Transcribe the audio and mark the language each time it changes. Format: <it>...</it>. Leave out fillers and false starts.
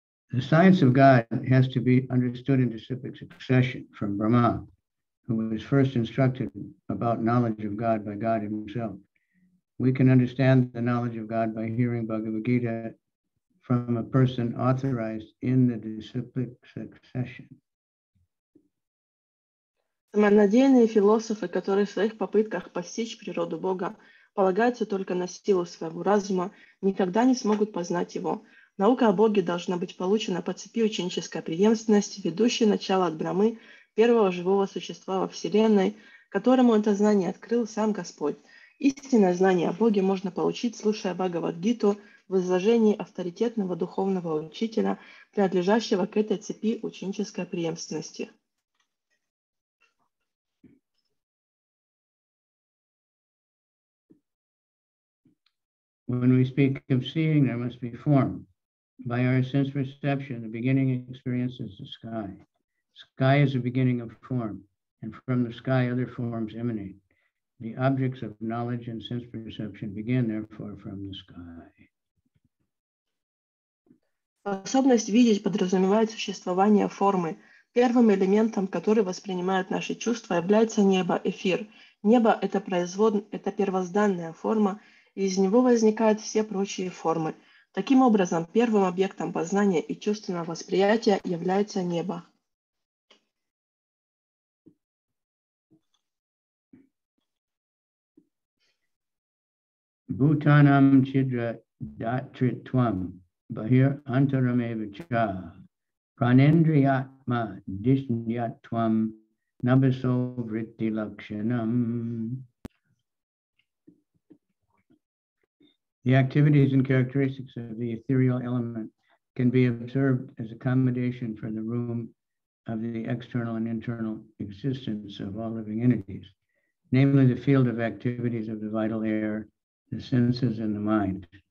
<en>The science of God has to be understood in specific succession from Brahma, who was first instructed about knowledge of God by God himself. We can understand the knowledge of God by hearing Bhagavad Gita from a person authorized in the disciplic succession.</en> <ru>Самонадеянные философы, которые в своих попытках постичь природу Бога, полагаются только на силу своего разума, никогда не смогут познать его. Наука о Боге должна быть получена по цепи ученической преемственности, ведущей начало от Брамы, первого живого существа во Вселенной, которому это знание открыл сам Господь. Истинное знание о Боге можно получить, слушая Бхагавад-гиту в изложении авторитетного духовного учителя, принадлежащего к этой цепи ученической преемственности.</ru> <en>When we speak of seeing, there must be form. By our sense perception, the beginning experience is the sky. Sky is the beginning of form, and from the sky other forms emanate. The objects of knowledge and sense perception begin, therefore, from the sky.</en> <ru>Способность видеть подразумевает существование формы. Первым элементом, который воспринимают наши чувства, является небо, эфир. Небо – это это первозданная форма, и из него возникают все прочие формы. Таким образом, первым объектом познания и чувственного восприятия является небо.</ru> <sa>Бутанам чидра датритвам бахир антарамевича пранендриятма дишньятвам набасо вритти лакшанам.</sa> <en>The activities and characteristics of the ethereal element can be observed as accommodation for the room of the external and internal existence of all living entities, namely the field of activities of the vital air, the senses, and the mind.</en>